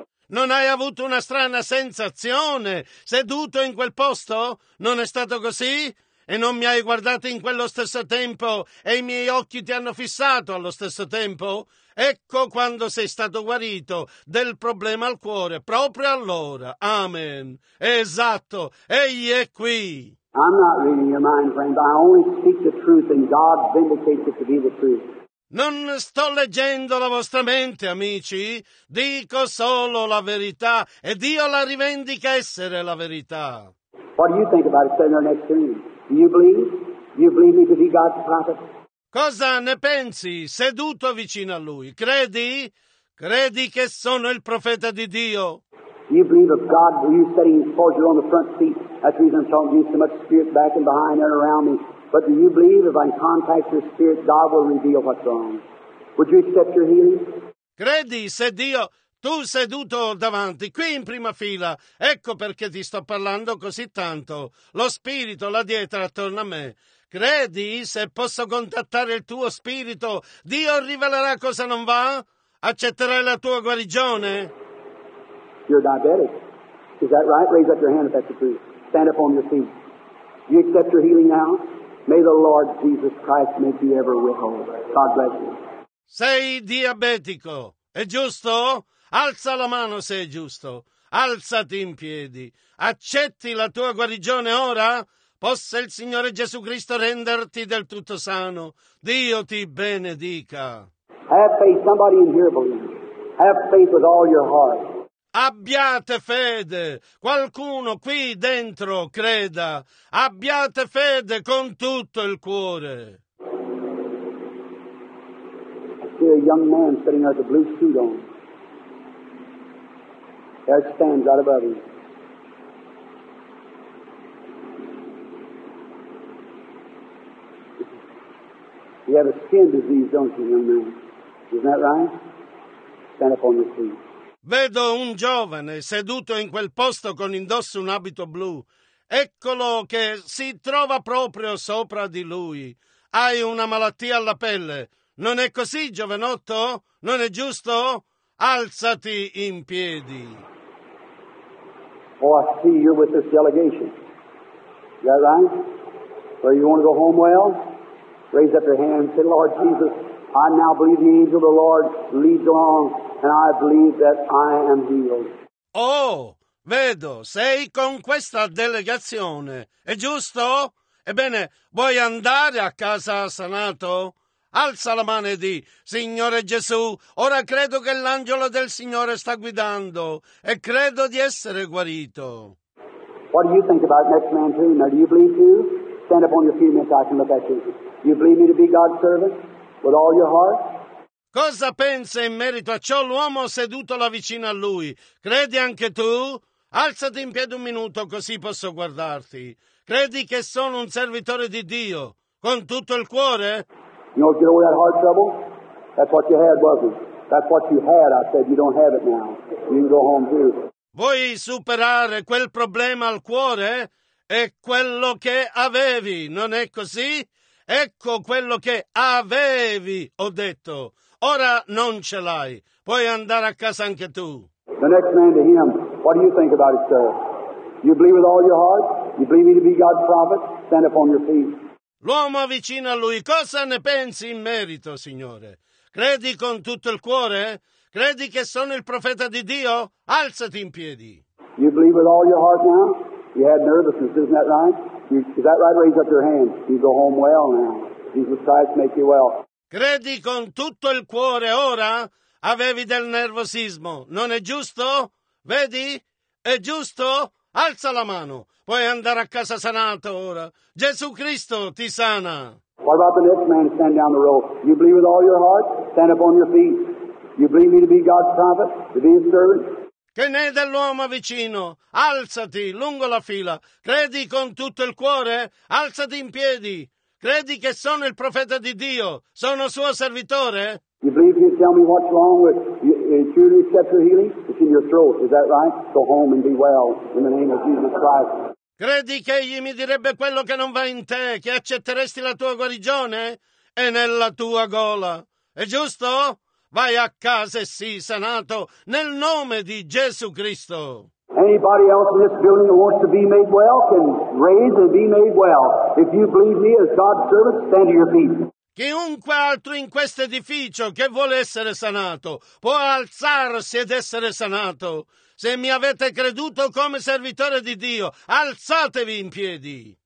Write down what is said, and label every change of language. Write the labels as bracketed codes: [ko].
[it] Non hai avuto una strana sensazione seduto in quel posto? Non è stato così? E non mi hai guardato in quello stesso tempo e i miei occhi ti hanno fissato allo stesso tempo? Ecco quando sei stato guarito del problema al cuore, proprio allora. Amen. Esatto, Egli è qui. [en] I'm not reading your mind, friend, but I only speak the truth and God vindicates it to be the truth. [it] Non sto leggendo la vostra mente, amici. Dico solo la verità e Dio la rivendica essere la verità. [en] What do you think about it, Senator, next to me? Do you believe me to be God's prophet? [it] Cosa ne pensi, seduto vicino a lui? Credi? Credi che sono il profeta di Dio? [en] You believe of God, you sitting before you on the front seat, that's the reason I'm talking to you so much spirit back and behind and around me. But do you believe if I contact your spirit, God will reveal what's wrong? Would you accept your healing? [it] Credi se Dio... Tu seduto davanti, qui in prima fila, ecco perché ti sto parlando così tanto. Lo spirito là dietro attorno a me. Credi se posso contattare il tuo spirito, Dio rivelerà cosa non va? Accetterai la tua guarigione? [en] You're diabetic. Is that right? Raise up your hand if that's the truth. Stand up on your feet. You accept your healing now? May the Lord Jesus Christ make you ever whole. God bless you. [it] Sei diabetico, è giusto? Alza la mano se è giusto. Alzati in piedi. Accetti la tua guarigione ora? Possa il Signore Gesù Cristo renderti del tutto sano. Dio ti benedica. [en] Have faith. Somebody in here believes. Have faith with all your heart. [it] Abbiate fede. Qualcuno qui dentro creda. Abbiate fede con tutto il cuore. Sì. [en] a young man sitting there with a blue suit on. There it stands right above him. You have a skin disease, don't you, young man? Isn't that right? Stand up on your feet. [it] Vedo un giovane seduto in quel posto con indosso un abito blu. Eccolo che si trova proprio sopra di lui. Hai una malattia alla pelle. Non è così, giovanotto? Non è giusto? Alzati in piedi. [en] Oh, I see you're with this delegation. Is that right? So you want to go home well? Raise up your hand and say, Lord Jesus, I now believe the angel of the Lord leads along and I believe that I am healed. [it] Oh, vedo, sei con questa delegazione. È giusto? Ebbene, vuoi andare a casa sanato? Alza la mano e di, Signore Gesù, ora credo che l'angelo del Signore sta guidando e credo di essere guarito. [en] What do you think about next man too? Now, do you believe too? Stand up on your feet and I can look at you. Do you believe me to be God's servant with all your heart? [it] Cosa pensa in merito a ciò l'uomo seduto là vicino a lui? Credi anche tu? Alzati in piedi un minuto così posso guardarti. Credi che sono un servitore di Dio con tutto il cuore? [en] You don't get over that heart trouble? That's what you had, wasn't it? That's what you had, I said. You don't have it now. You can go home too. [it] Vuoi superare quel problema al cuore? È quello che avevi, non è così? Ecco quello che avevi, ho detto. Ora non ce l'hai. Puoi andare a casa anche tu. [en] The next man to him, what do you think about it, sir? You believe with all your heart? You believe me to be God's prophet? Stand up on your feet. [it] L'uomo avvicina a lui. Cosa ne pensi in merito, Signore? Credi con tutto il cuore? Credi che sono il profeta di Dio? Alzati in piedi. [en] You believe with all your heart now? You had nervousness, isn't that right? Is that right? Raise up your hand. You go home well now. Jesus Christ make you well. [it] Credi con tutto il cuore ora? Avevi del nervosismo. Non è giusto? Vedi? È giusto? Alza la mano. Puoi andare a casa sanato ora. Gesù Cristo ti sana. [en] What about the next man standing down the road? You believe with all your heart? Stand up on your feet. You believe me to be God's prophet? To be his servant? [it] Che ne è dell'uomo vicino? Alzati lungo la fila. Credi con tutto il cuore? Alzati in piedi. Credi che sono il profeta di Dio? Sono suo servitore? [en] You believe me? Tell me what's wrong with you. You accept your healing? It's in your throat. Is that right? Go home and be well in the name of Jesus Christ. [it] Credi che egli mi direbbe quello che non va in te, che accetteresti la tua guarigione? È nella tua gola. È giusto? Vai a casa e sii sanato nel nome di Gesù Cristo. [en] Anybody else in this building that wants to be made well can raise and be made well. If you believe me as God's servant, stand to your feet. [it] Chiunque altro in questo edificio che vuole essere sanato può alzarsi ed essere sanato. Se mi avete creduto come servitore di Dio, alzatevi in piedi.